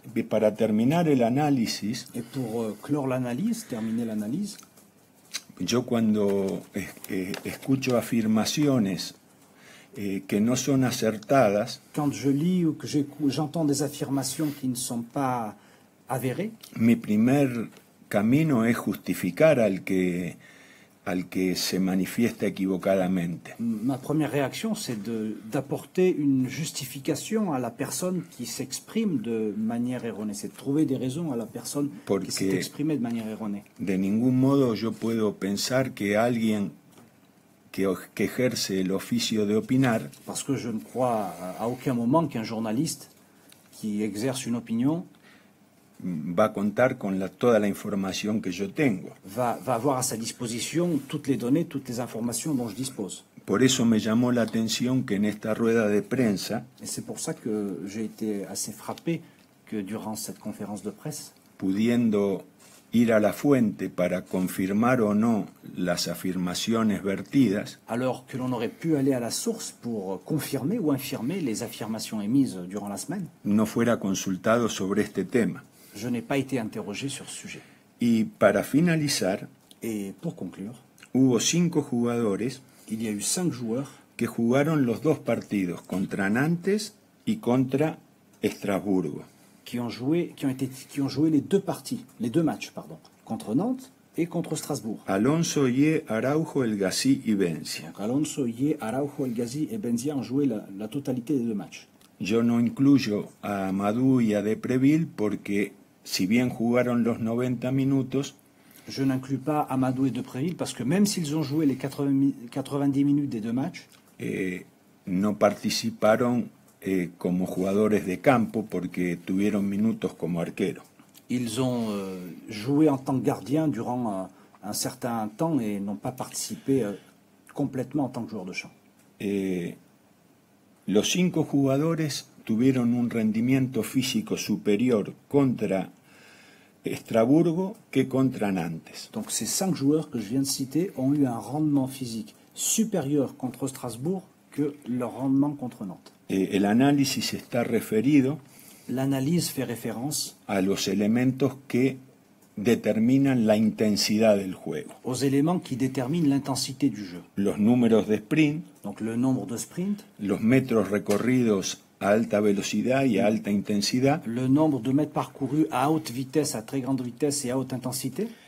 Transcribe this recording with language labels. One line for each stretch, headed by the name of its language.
Spanish: Para terminar el análisis.
French: Et pour clore l'analyse, terminer l'analyse.
Spanish: Yo cuando escucho afirmaciones que no son acertadas.
French: Quand je lis ou que j'entends des affirmations qui ne sont pas avérées.
Spanish: Mi primer camino es justificar al que se manifiesta equivocadamente.
French: Ma première réaction c'est d'apporter une justification à la personne qui s'exprime de manière erronée. C'est de trouver des raisons à la personne
Spanish: Porque
French: qui s'est exprimée de manière erronée.
Spanish: De ningún modo yo puedo pensar que alguien que ejerce el oficio de opinar,
French: parce que je ne crois à aucun moment qu'un journaliste qui exerce une opinion
Spanish: va a contar con toda la información que yo tengo,
French: va avoir à sa disposition toutes les données, toutes les informations dont je dispose.
Spanish: Por eso me llamó la atención que en esta rueda de prensa,
French: et c'est pour ça que j'ai été assez frappé que durant cette conférence de presse,
Spanish: pudiendo ir a la fuente para confirmar o no las afirmaciones vertidas.
French: Alors que l'on aurait pu aller à la source pour confirmer ou infirmer les affirmations émises durant la semaine.
Spanish: No fuera consultado sobre este tema.
French: Je n'ai pas été interrogé sur ce sujet.
Spanish: Y para finalizar.
French: Et pour conclure.
Spanish: Hubo cinco jugadores.
French: Il y a eu cinq joueurs.
Spanish: Que jugaron los dos partidos contra Nantes y contra Estrasburgo.
French: Qui ont joué les deux parties, les deux matchs, pardon, contre Nantes et contre Strasbourg. Alonso, Ye, Araujo, El Ghazi et Benzia. Donc Alonso, Ye, Araujo, El Ghazi et Benzia ont joué la totalité des deux matchs.
Spanish: Yo no incluyo a Amadou y a Depreville porque si bien jugaron los 90 minutos,
French: je n'inclus pas Amadou et Depreville parce que même s'ils ont joué les 90 minutes des deux matchs,
Spanish: no participaron como jugadores de campo porque tuvieron minutos como arquero.
French: Ils ont joué en tant que gardien durant un certain temps et n'ont pas participé complètement en tant que joueur de champ.
Spanish: Los cinco jugadores tuvieron un rendimiento físico superior contra Estrasburgo que contra Nantes.
French: Donc ces cinq joueurs que je viens de citer ont eu un rendement physique supérieur contre Strasbourg que leur rendement contre Nantes.
Spanish: El análisis está referido.
French: L'analyse fait référence
Spanish: a los elementos que determinan la intensidad del juego.
French: Aux éléments qui déterminent l'intensité du jeu.
Spanish: Los números de sprint.
French: Donc le nombre de sprint.
Spanish: Los metros recorridos a alta velocidad y a alta intensidad.
French: Le nombre de mètres parcourus à haute vitesse, à très grande vitesse et à haute intensité.